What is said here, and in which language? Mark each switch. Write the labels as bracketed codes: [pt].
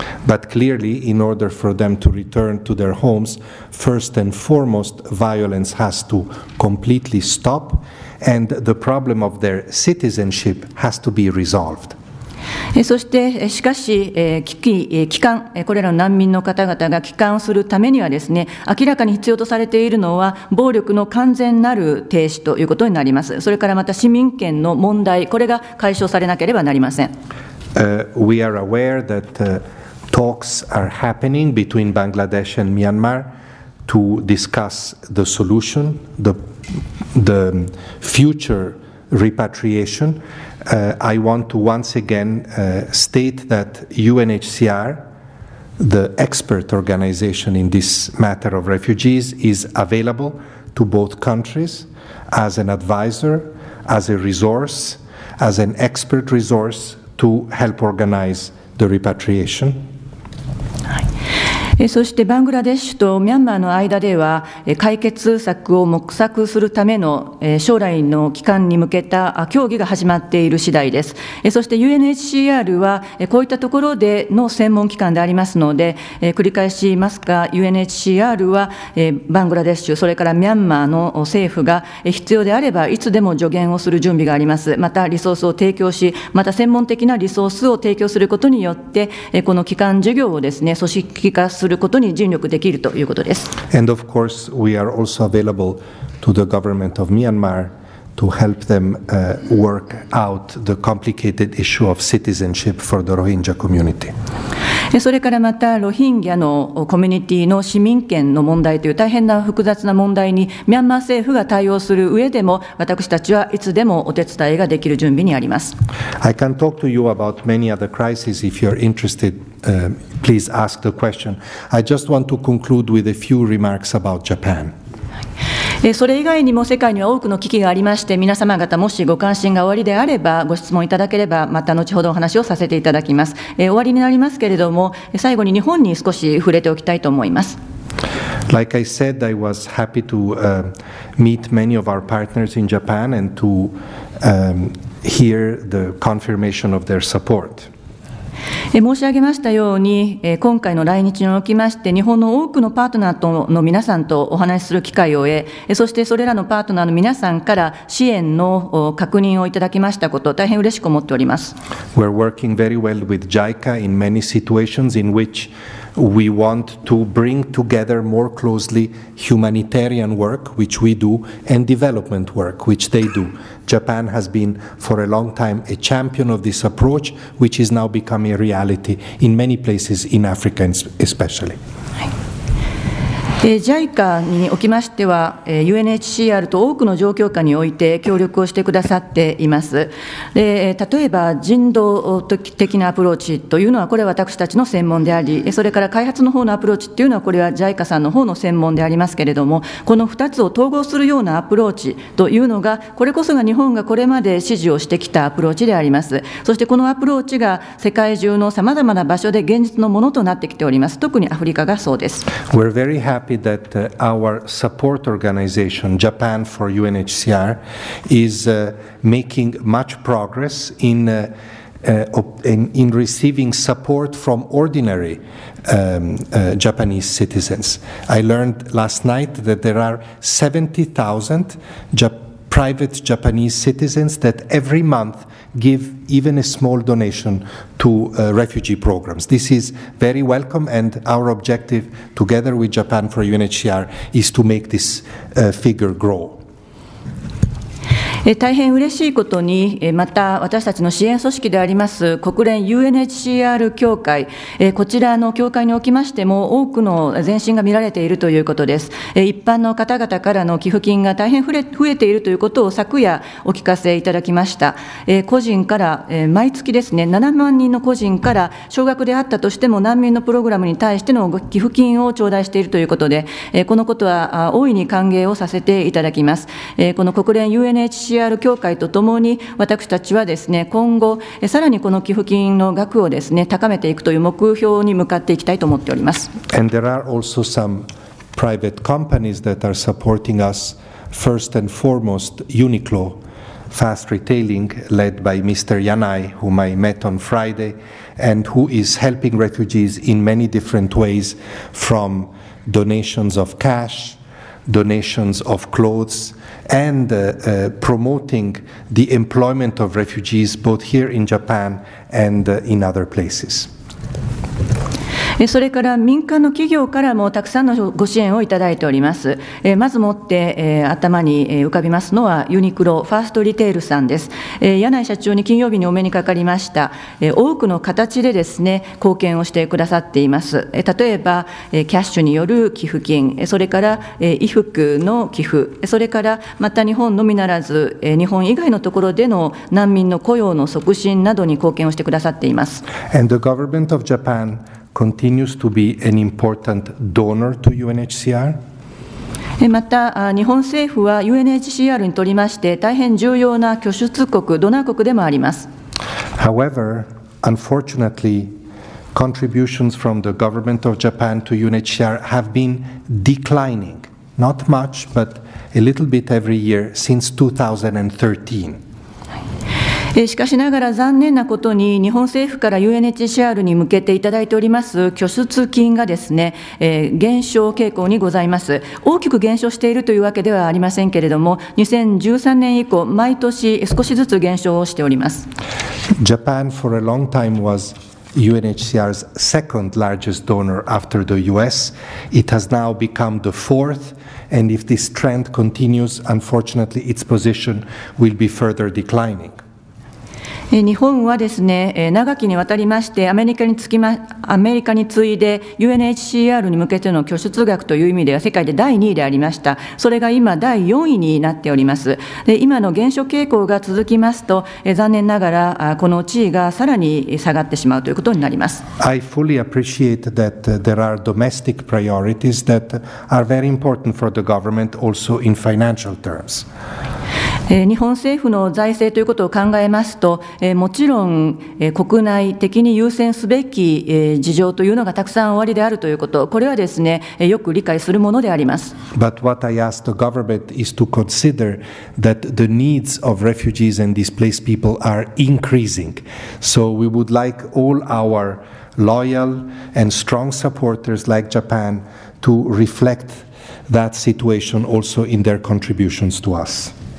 [en] But clearly, in order for them to return to their homes, first and foremost, violence has to completely stop, and the problem of their citizenship has to be resolved. [ja] そしてしかし帰還、これらの難民の方々が帰還するためにはですね、明らかに必要とされているのは暴力の完全なる停止ということになります。それからまた市民権の問題、これが解消されなければなりません。 [en] We are aware that talks are happening between Bangladesh and Myanmar to discuss the solution, the future repatriationI want to once again state that UNHCR, the expert organization in this matter of refugees, is available to both countries as an advisor, as a resource, as an expert resource to help organize the repatriation. [ja] そしてバングラデシュとミャンマーの間では解決策を模索するための将来の期間に向けた協議が始まっている次第です。そして UNHCR はこういったところでの専門機関でありますので、繰り返しますが、 UNHCR はバングラデシュ、それからミャンマーの政府が必要であればいつでも助言をする準備があります。またリソースを提供し、また専門的なリソースを提供することによって、この機関事業をですね、組織化することに尽力できるということです。 [en] And of course, we are also available to the government of Myanmar to help them work out the complicated issue of citizenship for the Rohingya community. [ja] それからまた、ロヒンギャのコミュニティの市民権の問題という大変な複雑な問題にミャンマー政府が対応する上でも、私たちはいつでもお手伝いができる準備にあります。 [en] I can talk to you about many other crises if you're interested. Please ask the question. I just want to conclude with a few remarks about Japan. [ja] それ以外にも世界には多くの危機がありまして、皆様方もしご関心がおありであれば、ご質問いただければまた後ほどお話をさせていただきます。終わりになりますけれども、最後に日本に少し触れておきたいと思います。 [en] Like I said, I was happy to meet many of our partners in Japan and to hear the confirmation of their support. [ja] 申し上げましたように、今回の来日におきまして、日本の多くのパートナーとの皆さんとお話しする機会を得、そしてそれらのパートナーの皆さんから支援の確認をいただきましたこと、大変嬉しく思っております。 [en] We're working very well with JICA in many situations in which we want to bring together more closely humanitarian work, which we do, and development work, which they do. Japan has been for a long time a champion of this approach, which is now becoming a reality in many places in Africa especially. [ja] JICA におきましては、UNHCR と多くの状況下において協力をしてくださっています。で、例えば人道的なアプローチというのは、これは私たちの専門であり、それから開発の方のアプローチというのは、これは JICA さんの方の専門でありますけれども、この2つを統合するようなアプローチというのが、これこそが日本がこれまで支持をしてきたアプローチであります。そしてこのアプローチが世界中のさまざまな場所で現実のものとなってきております。特にアフリカがそうです。 [en] We're very happy. That our support organization, Japan for UNHCR, is making much progress in receiving support from ordinary Japanese citizens. I learned last night that there are 70,000 private Japanese citizens that every month give even a small donation to refugee programs. This is very welcome, and our objective, together with Japan for UNHCR, is to make this figure grow. [ja] 大変嬉しいことに、また私たちの支援組織であります国連 UNHCR 協会、こちらの協会におきましても多くの前進が見られているということです。一般の方々からの寄付金が大変増えているということを昨夜お聞かせいただきました。個人から毎月ですね、7万人の個人から少額であったとしても難民のプログラムに対しての寄付金を頂戴しているということで、このことは大いに歓迎をさせていただきます。この国連 UNHCR 協会とともに私たちはですね、今後さらにこの寄付金の額をですね、高めていくという目標に向かっていきたいと思っております。 [en] And there are also some private companies that are supporting us. First and foremost, Uniqlo Fast Retailing, led by Mr. Yanai, whom I met on Friday, and who is helping refugees in many different ways, from donations of cash, donations of clothesand promoting the employment of refugees both here in Japan and in other places. [ja] それから民間の企業からもたくさんのご支援をいただいております。まずもって頭に浮かびますのはユニクロファーストリテールさんです。柳井社長に金曜日にお目にかかりました。多くの形でですね、貢献をしてくださっています。例えばキャッシュによる寄付金、それから衣服の寄付、それからまた日本のみならず日本以外のところでの難民の雇用の促進などに貢献をしてくださっています。 [en] And the government of Japan. Continues to be an important donor to UNHCR. [ja] また日本政府は UNHCR にとりまして大変重要な拠出国、ドナー国でもあります。 [en] However, unfortunately, contributions from the government of Japan to UNHCR have been declining, not much, but a little bit every year since 2013. [ja] しかしながら残念なことに日本政府から UNHCR に向けていただいております拠出金がですね、減少傾向にございます。大きく減少しているというわけではありませんけれども、2013年以降毎年少しずつ減少をしております。 [en] Japan for a long time was UNHCR's second largest donor after the US. It has now become the fourth, and if this trend continues, unfortunately its position will be further declining. [ja] 日本はですね、長きにわたりましてアメリカに次いで UNHCR に向けての拠出額という意味では世界で第2位でありました。それが今第4位になっております。で、今の減少傾向が続きますと、残念ながらこの地位がさらに下がってしまうということになります。 [en] I fully appreciate that there are domestic priorities that are very important for the government also in financial terms. [ja] 日本政府の財政ということを考えますと、もちろん国内的に優先すべき事情というのがたくさんおありであるということ、これはですね、よく理解するものであります。 [en] But what I ask the government is to consider that the needs of refugees and displaced people are increasing. So we would like all our loyal and strong supporters like Japan to reflect that situation also in their contributions to us.